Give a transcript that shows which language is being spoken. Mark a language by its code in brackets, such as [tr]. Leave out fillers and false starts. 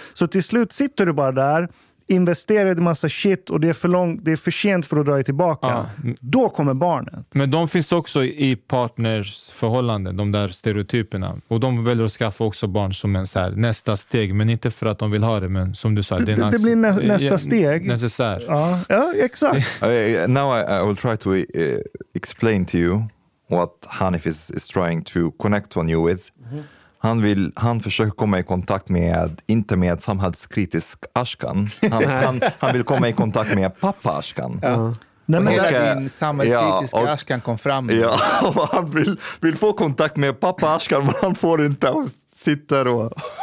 [sv] Så till slut sitter du bara där, investerar i massa shit, och det är för sent för att dra tillbaka. Ja. Då kommer barnet. Men de finns också i partners förhållanden, de där stereotyperna. Och de väljer att skaffa också barn som en så här, nästa steg, men inte för att de vill ha det, men som du sa. Det blir nästa steg. Necessär. Ja, exakt. [en] Now I will try to explain to you what Hanif is trying to connect on you with. Mm-hmm. [sv] Han försöker komma i kontakt med, inte med samhällskritisk Ashkan. Han vill komma i kontakt med pappa Ashkan. Ja. Nej, men hela din samhällskritiska Ashkan kom fram. Ja, han vill få kontakt med pappa Ashkan, men han får inte. Han sitter och...